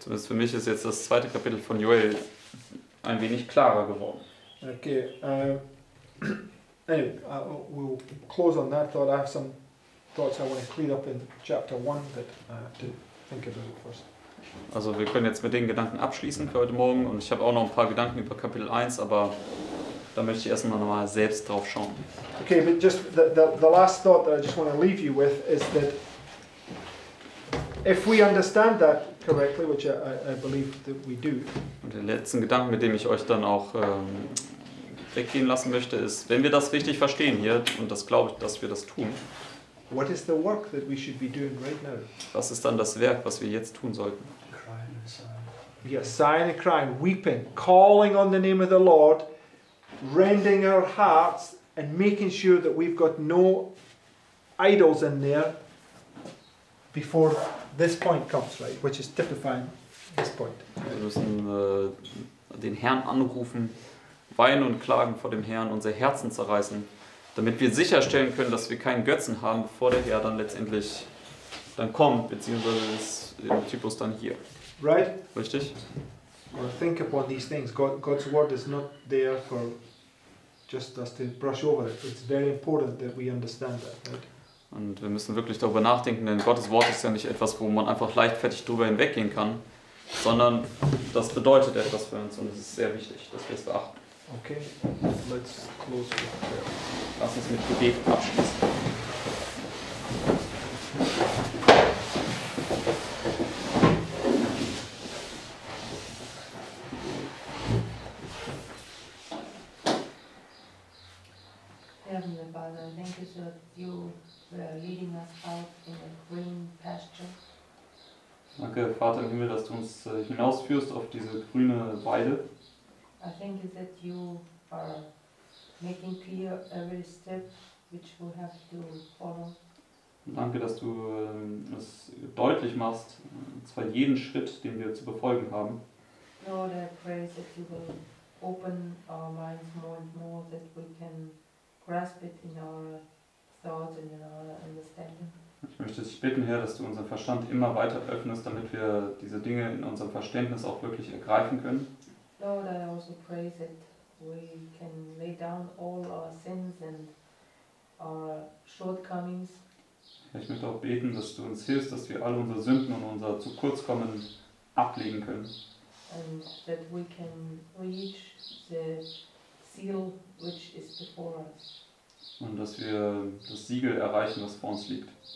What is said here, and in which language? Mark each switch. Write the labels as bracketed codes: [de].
[de] Zumindest für mich ist jetzt das zweite Kapitel von Joel ein wenig klarer geworden. Okay. [en] Anyway, we'll close on that thought. I have some thoughts I want to clear up in chapter 1 that to think about it first. [de] Also wir können jetzt mit den Gedanken abschließen für heute Morgen, und ich habe auch noch ein paar Gedanken über Kapitel 1, aber da möchte ich erstmal nochmal selbst drauf schauen. [en] Okay, but just the last thought that I just want to leave you with is that if we understand that correctly, which I believe that we do. [de] Und den letzten Gedanken, mit dem ich euch dann auch weggehen lassen möchte, ist, wenn wir das richtig verstehen hier, und das glaube ich, dass wir das tun. [en] What is the work that we should be doing right now? [de] Was ist dann das Werk, was wir jetzt tun sollten? [en] Crying and sighing. Yes, sighing and crying, weeping, calling on the name of the Lord, rending our hearts and making sure that we've got no idols in there before this point comes, right? Which is typifying this point. [de] Wir müssen den Herrn anrufen, weinen und klagen vor dem Herrn, unser Herzen zerreißen, damit wir sicherstellen können, dass wir keinen Götzen haben, bevor der Herr dann letztendlich dann kommt, beziehungsweise ist im Typus dann hier. [en] Right? [de] Richtig? [en] Or think about these things. God's word is not there for just us to brush over it. It's very important that we understand that, right? [de] Und wir müssen wirklich darüber nachdenken, denn Gottes Wort ist ja nicht etwas, wo man einfach leichtfertig drüber hinweggehen kann, sondern das bedeutet etwas für uns, und es ist sehr wichtig, dass wir es beachten. [en] Okay, let's close with prayer. [de] Lass uns mit Gebet abschließen. [en] Heavenly Father, thank you that you were leading us out in a green pasture. Mag [de] Danke, Vater im Himmel, dass du uns hinausführst auf diese grüne Weide. [en] I think that you are making clear every step which we have to follow. [de] Danke, dass du es deutlich machst, und zwar jeden Schritt, den wir zu befolgen haben. [en] Lord, I pray that you will open our minds more and more, that we can grasp it in our thoughts and in our understanding. [de] Ich möchte dich bitten, Herr, dass du unseren Verstand immer weiter öffnest, damit wir diese Dinge in unserem Verständnis auch wirklich ergreifen können. [en] Lord, I also pray that we can lay down all our sins and our shortcomings. [de] Ich möchte auch beten, dass du uns hilfst, dass wir alle unsere Sünden und unser Zu-Kurz-Kommen ablegen können. [en] And that we can reach the seal which is before us. [de] Und dass wir das Siegel erreichen, was vor uns liegt.